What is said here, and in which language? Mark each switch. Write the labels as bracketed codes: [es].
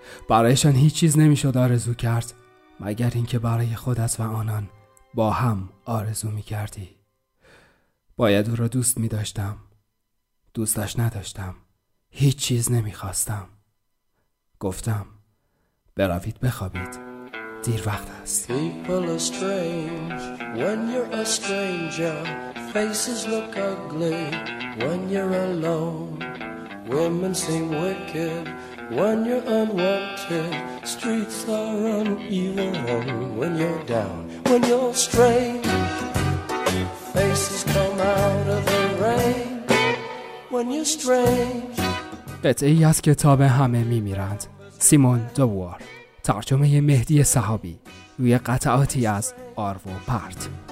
[fa] برایشان هیچ چیز نمی شد آرزو کرد، مگر اینکه برای خودت و آنان با هم آرزو می کردی. باید او را دوست می داشتم. دوستش نداشتم. هیچ چیز نمی خواستم. گفتم: بروید بخوابید، دیر وقت است. [en] People are strange when you're a stranger. Faces look ugly when you're alone. Women seem wicked when you're unwanted. Streets are uneven when you're down. When you're strange, faces come out of the rain. When you're strange. [fa] قطعه ای از کتاب همه میمیرند، سیمون دوبووار، ترجمه مهدی صحابی، روی قطعاتی از آروو پرت.